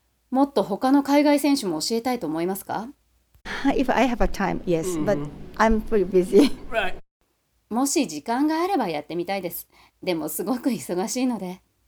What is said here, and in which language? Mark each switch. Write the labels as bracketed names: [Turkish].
[Japanese] もっと他の海外選手も教えたいと思いますか? [English] If I have a time, yes, but I'm pretty busy. Right. [Japanese] もし時間があればやってみたいです。でもすごく忙しいので。